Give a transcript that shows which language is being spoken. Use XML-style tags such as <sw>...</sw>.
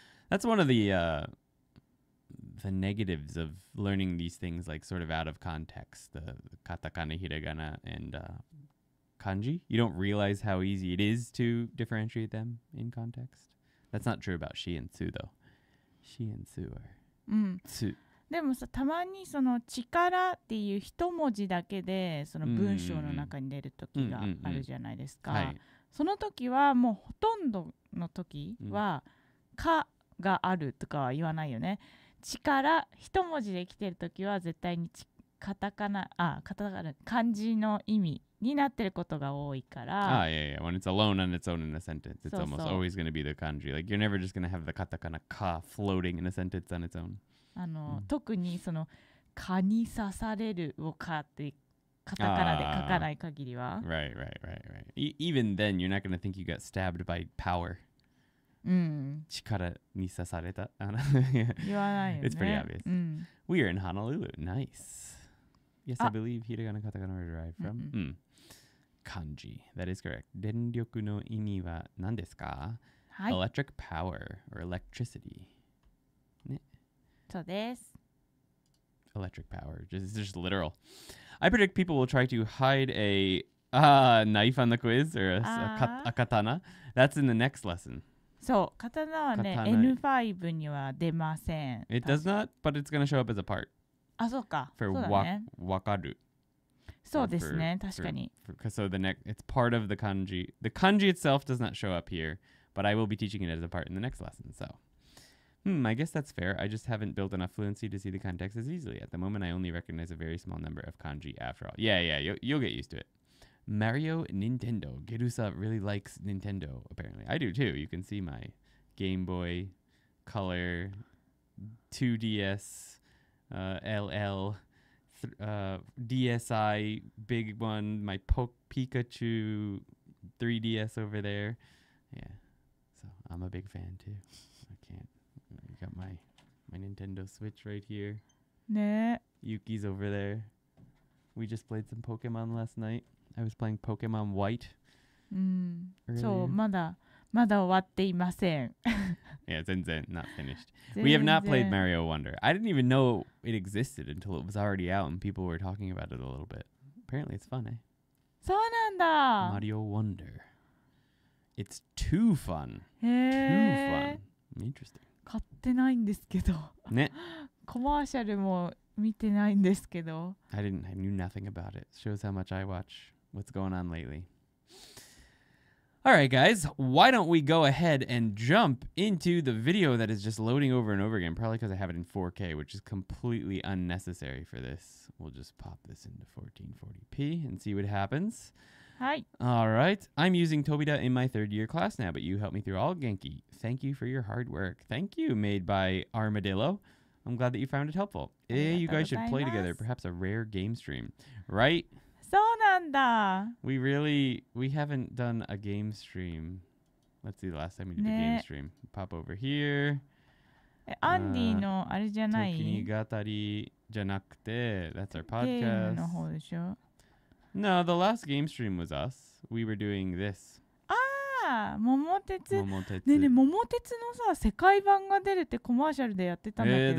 <en>That's one of the negatives of learning these things, like, sort of out of context. The katakana, hiragana, and kanji. You don't realize how easy it is to differentiate them in context. That's not true about she and su, though. She and su are su.</en> <ja>でもさ、たまにその力っていう一文字だけでその文章の中に出る時があるじゃないですか。その時はもうほとんどの時はかがあるとかは言わないよね。力一文字で来てる時は絶対にカタカナ、あ、カタカナ、漢字の意味になってることが多いから。</ja> <en>Ah, yeah, yeah. When it's alone on its own in a sentence, it's almost always going to be the kanji. Like, you're never just going to have the katakana ka floating in a sentence on its own.</en> <ja>あの特にその蚊に刺されるをかってカタカナで書かない限りは</ja> <en>right, right, right, right. Even then you're not going to think you got stabbed by power、</en> <ja>うん、力に刺された言わないよね</ja> <en>It's pretty obvious、</en> <ja>うん、</ja> <en>We are in Honolulu, nice Yes, I believe hiragana katakana are derived from、うんうん、Kanji, that is correct</en> <ja>電力の意味は何ですか、はい、</ja> <en>Electric power or electricity</en> <ja>そうです。</ja> <en>Electric power. It's just literal. I predict people will try to hide a knife on the quiz or a katana. That's in the next lesson.</en> <ja>そう、刀はね、N5 には出ません。</ja> <en>It does not, but it's going to show up as a part.</en> <ja>あ、そうか。 For わかる。そうですね、確かに。</ja> <en>So the next, it's part of the kanji. The kanji itself does not show up here, but I will be teaching it as a part in the next lesson, so... I guess that's fair. I just haven't built enough fluency to see the context as easily. At the moment, I only recognize a very small number of kanji after all. Yeah, yeah, you'll get used to it. Mario Nintendo. Gerusa really likes Nintendo, apparently. I do, too. You can see my Game Boy Color 2DS LL DSi big one. My Pikachu 3DS over there. Yeah, so I'm a big fan, too. I can't. Got my Nintendo Switch right here. Nah. Yuki's over there. We just played some Pokemon last night. I was playing Pokemon White.</en> <ja>So, まだ終わっていません。</ja> <en>Yeah, 全然 not finished. We have not played Mario Wonder. I didn't even know it existed until it was already out and people were talking about it a little bit. Apparently it's fun, eh?</en> <ja>そうなんだ。</ja> <en>Mario Wonder. It's too fun. Too fun. Interesting.</en> <ja>買ってないんですけど。ね。コマーシャルも見てないんですけど。</ja> <en>I knew nothing about it. Shows how much I watch what's going on lately. All right, guys. Why don't we go ahead and jump into the video that is just loading over and over again, probably because I have it in 4K, which is completely unnecessary for this. We'll just pop this into 1440p and see what happens. Hi. All right. I'm using Tobita in my third year class now, but you helped me through all Genki. Thank you for your hard work. Thank you, made by Armadillo. I'm glad that you found it helpful. Eh, you guys should play together, perhaps a rare game stream, right?</en> <ja>そうなんだ。</ja> <en>We haven't done a game stream. Let's see the last time we did a game stream. Pop over here.</en> <ja>アンディのあれじゃない。時に語りじゃなくて、</ja> <en>that's our podcast.</en> <ja>ゲームの方でしょ。</ja> <en>No, the last game stream was us. We were doing this.</en> <ja>ああ、桃鉄。桃鉄。ねえねえ、桃鉄のさ、世界版が出るってコマーシャルでやってたんだけど。</ja>